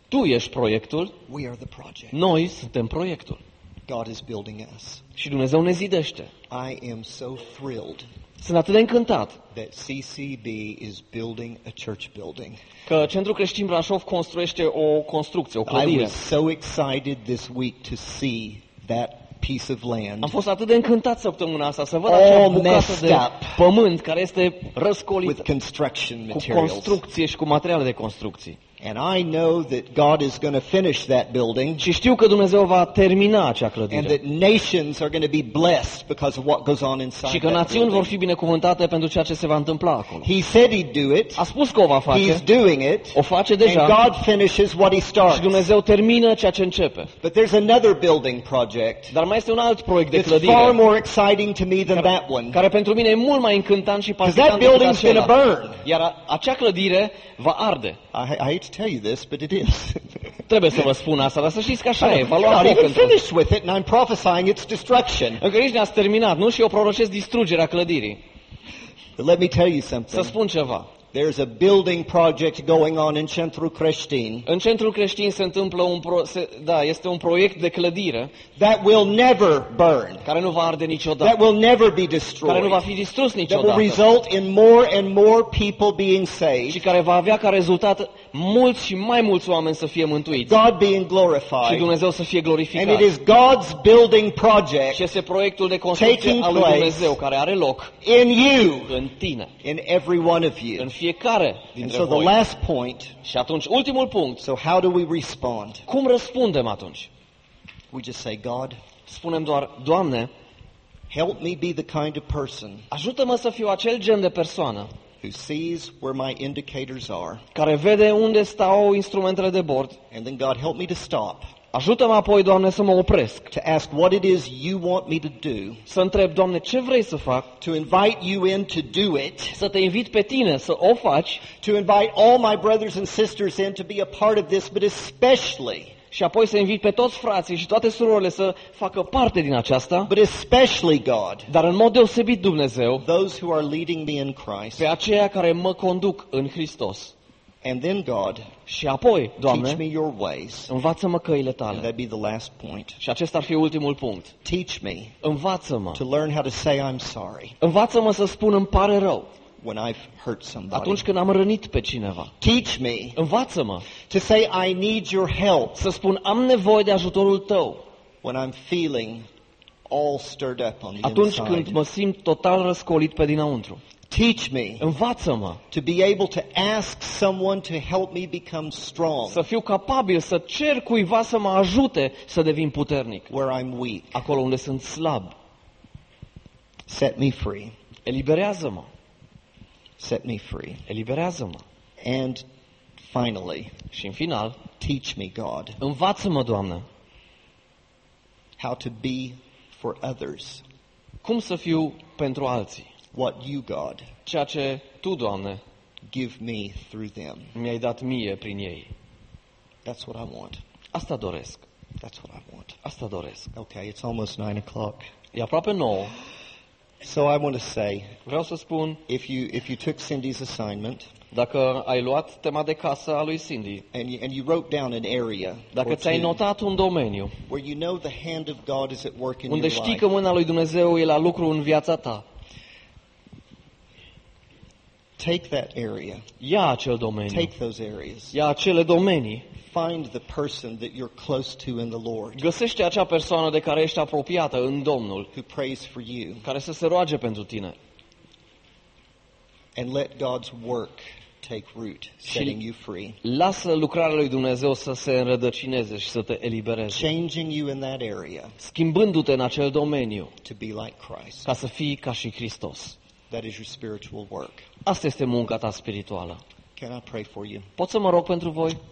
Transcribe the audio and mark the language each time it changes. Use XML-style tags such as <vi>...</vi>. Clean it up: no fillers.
<ro>Tu ești proiectul.</ro> <en>We are the project.</en> <ro>Noi suntem proiectul.</ro> <en>God is building us.</en> <ro>Și Dumnezeu ne zidește.</ro> <en>I am so thrilled.</en> <ro>Sunt atât de încântat.</ro> <en>That CCB is building a church building.</en> <ro>Că Centrul Creștin Brașov construiește o construcție, o clădire.</ro> <en>I was so excited this week to see that piece of land.</en> <ro>Am fost atât de încântat săptămâna asta să văd acea bucată de pământ care este răscolit</ro> <en>with construction materials.</en> <ro>Cu construcție și cu materiale de construcții.</ro> <en>And I know that God is going to finish that building.</en> <ro>Și știu că Dumnezeu va termina acea clădire.</ro> <en>And that nations are going to be blessed because of what goes on inside.</en> <ro>Și că națiuni vor fi binecuvântate pentru ceea ce se va întâmpla acolo.</ro> <en>He said he'd do it.</en> <ro>A spus că o va face.</ro> <en>He's doing it.</en> <ro>O face deja.</ro> <en>And God finishes what he starts.</en> <ro>Și Dumnezeu termină ceea ce începe.</ro> <en>But there's another building project.</en> <ro>Dar mai este un alt proiect de clădire.</ro> <en>It's far more exciting to me than that one.</en> <ro>Care pentru mine e mult mai încântant și pasionant.</ro> <en>That building's going to burn.</en> <ro>Iar acea clădire va arde.</ro> <en>I hate to tell you this, but it is.</en> <ro>Trebuie să vă spun asta, dar să știți că așa e. Va lua</ro> <en>finished with it and I'm prophesying its destruction.</en> <ro>Încă nici n-ați terminat, nu? Și eu prorocesc distrugerea clădirii.</ro> <en>But let me tell you something.</en> <ro>Să spun ceva.</ro> <en>There's a building project going on in Centrul Creștin.</en> <ro>În Centrul Creștin se întâmplă este un proiect de clădire.</ro> <en>That will never burn.</en> <ro>Care nu va arde niciodată.</ro> <en>That will never be destroyed.</en> <ro>Care nu va fi distrus niciodată.</ro> <en>That will result in more and more people being saved.</en> <ro>Și care va avea ca rezultat mulți și mai mulți oameni să fie mântuiți.</ro> <en>God being glorified.</en> <ro>Și Dumnezeu să fie glorificat.</ro> <en>And it is God's building project.</en> <ro>Și este proiectul de construcție al lui Dumnezeu care are loc.</ro> <en>In you.</en> <ro>În tine.</ro> <en>In every one of you.</en> <ro>Fiecare dintre voi.</ro> <en>And so the last point,</en> <ro>și atunci ultimul punct,</ro> <en>so how do we respond?</en> <ro>Cum răspundem atunci?</ro> <en>We just say, God,</en> <ro>spunem doar, Doamne,</ro> <en>help me be the kind of person,</en> <ro>ajută-mă să fiu acel gen de persoană,</ro> <en>who sees where my indicators are,</en> <ro>care vede unde stau instrumentele de bord,</ro> <en>and then God, help me to stop.</en> <ro>Ajută-mă apoi, Doamne, să mă opresc.</ro> <en>To ask what it is you want me to do.</en> <ro>Să întreb, Doamne, ce vrei să fac?</ro> <en>To invite you in to do it.</en> <ro>Să te invit pe tine să o faci.</ro> <en>To invite all my brothers and sisters in to be a part of this, but especially.</en> <ro>Și apoi să invit pe toți frații și toate surorile să facă parte din aceasta.</ro> <en>But especially God.</en> <ro>Dar în mod deosebit Dumnezeu.</ro> <en>Those who are leading me in Christ.</en> <ro>Pe aceia care mă conduc în Hristos.</ro> <en>And then God,</en> <ro>și apoi, Doamne,</ro> <en>teach me your ways.</en> <ro>Învață-mă căile tale.</ro> <en>And that'd be the last point.</en> <ro>Și acesta ar fi ultimul punct.</ro> <en>Teach me.</en> <ro>Învață-mă.</ro> <en>To learn how to say I'm sorry.</en> <ro>Învață-mă să spun îmi pare rău.</ro> <en>When I've hurt somebody.</en> <ro>Atunci când am rănit pe cineva.</ro> <en>Teach me.</en> <ro>Învață-mă.</ro> <en>To say I need your help.</en> <ro>Să spun am nevoie de ajutorul tău.</ro> <en>When I'm feeling all stirred up on the inside.</en> <ro>Atunci când mă simt total răscolit pe dinăuntru.</ro> <en>Teach me.</en> <ro>Învață-mă.</ro> <en>To be able to ask someone to help me become strong.</en> <ro>Să fiu capabil să cer cuiva să mă ajute să devin puternic.</ro> <en>Where I'm weak.</en> <ro>Acolo unde sunt slab.</ro> <en>Set me free.</en> <ro>Eliberează-mă.</ro> <en>Set me free.</en> <ro>Eliberează-mă.</ro> <en>And finally.</en> <ro>Și în final,</ro> <en>teach me, God.</en> <ro>Învață-mă, Doamne.</ro> <en>How to be for others.</en> <ro>Cum să fiu pentru alții?</ro> <en>What you God?</en> <ro>Ceea ce tu, Doamne,</ro> <en>give me through them.</en> <ro>Mi-ai dat mie prin ei.</ro> <en>That's what I want.</en> <ro>Asta doresc.</ro> <en>That's what I want.</en> <ro>Asta doresc.</ro> <en>Okay, it's almost 9:00.</en> <ro>E aproape 9.</ro> <en>So I want to say,</en> <ro>vreau să spun,</ro> <en>if you took Cindy's assignment,</en> <ro>dacă ai luat tema de casă a lui Cindy,</ro> <en>and you wrote down an area,</en> <ro>dacă ți-ai notat un domeniu,</ro> <en>where you know the hand of God is at work in your</en> <ro>life, unde știi că mâna lui Dumnezeu e la lucru în viața ta.</ro> <en>Take that area.</en> <ro>Ia acel domeniu.</ro> <en>Take those areas.</en> <ro>Ia acele domenii.</ro> <en>Find the person that you're close to in the Lord.</en> <ro>Găsește acea persoană de care ești apropiată în Domnul.</ro> <en>Who prays for you.</en> <ro>Care să se roage pentru tine.</ro> <en>And let God's work take root, setting you free.</en> <ro>Lasă lucrarea lui Dumnezeu să se înrădăcineze și să te elibereze.</ro> <en>Changing you in that area.</en> <ro>Schimbându-te în acel domeniu.</ro> <en>To be like Christ.</en> <ro>Ca să fii ca și Hristos.</ro> <en>That is your spiritual work.</en> <ro>Asta este munca ta spirituală.</ro> <en>Can I pray for you?</en> <ro>Pot să mă rog pentru voi?</ro>